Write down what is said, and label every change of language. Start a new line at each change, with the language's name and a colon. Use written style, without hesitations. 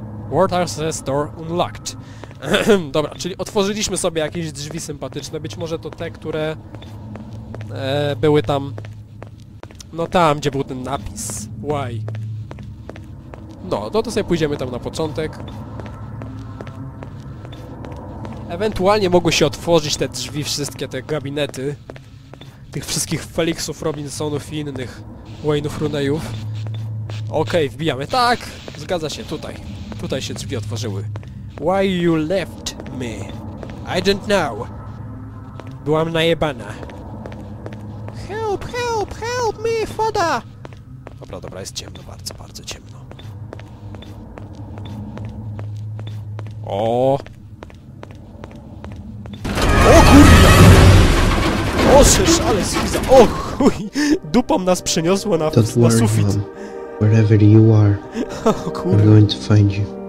English: Ward access door unlocked.
Polish: Dobra, czyli otworzyliśmy sobie jakieś drzwi sympatyczne. Być może to te, które były tam... No tam, gdzie był ten napis. Why? No, to sobie pójdziemy tam na początek. Ewentualnie mogły się otworzyć te drzwi, wszystkie te gabinety. Tych wszystkich Felixów, Robinsonów i innych Wayne'ów, Rooney'ów. Okej, wbijamy. Tak! Zgadza się, tutaj. Tutaj się drzwi otworzyły.
English: Why you left me? I don't know.
Polish: Byłam najebana.
English: Help, help, help me, Fada!
Polish: Dobra, dobra, jest ciemno, bardzo, bardzo ciemno. O! Ożesz, ale schiza! O chuj! Dupą nas przeniosło na sufit!
English: Wherever you are, I'm going to find you.